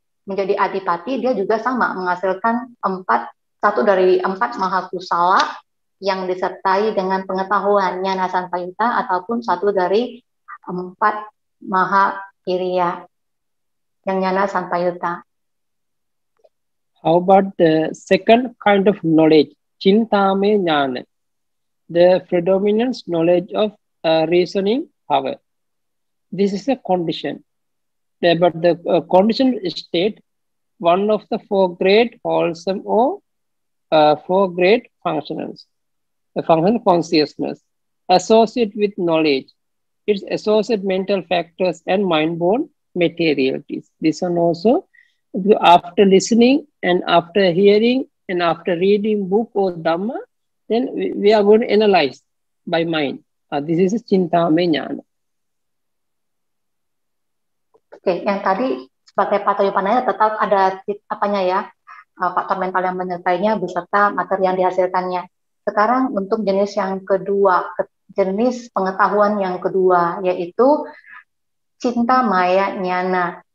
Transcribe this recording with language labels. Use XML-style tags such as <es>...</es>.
<id>menjadi adipati, dia juga sama menghasilkan empat, satu dari empat mahakusala yang disertai dengan pengetahuan jnana sampayuta ataupun satu dari empat maha kiriya. yang nyana sampayuta.</id> <en>How about the second kind of knowledge, cintame jnana, the predominant knowledge of reasoning power? This is a condition, but the condition state one of the four great wholesome or four great functionals, the function consciousness associated with knowledge, its associated mental factors and mind-borne materialities. This one also, after listening and after hearing and after reading book or Dhamma, then we are going to analyze by mind. This is cintame jnana.</en> <id>Oke, yang tadi sebagai patayupananya tetap ada apanya ya, faktor mental yang menyertainya beserta materi yang dihasilkannya. Sekarang untuk jenis yang kedua, jenis pengetahuan yang kedua, yaitu cinta maya nyana.</id>